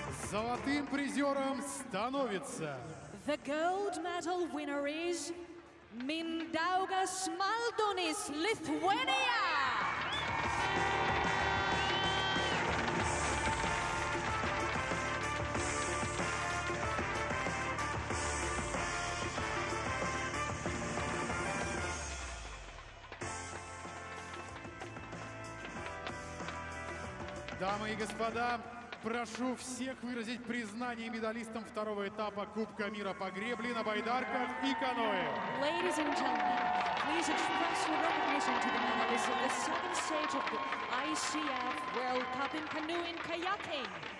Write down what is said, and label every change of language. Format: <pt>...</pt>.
<ru>Золотым призером становится.</ru> <en>The gold medal winner is Mindaugas Maldonis, Lithuania.</en> <ru>Дамы и господа, прошу всех выразить признание медалистам второго этапа Кубка мира по гребле на байдарках и каноэ.</ru> <en>Ladies and gentlemen, please express your recognition to the medalists of the second stage of the ICF World Cup in canoe and kayaking.</en>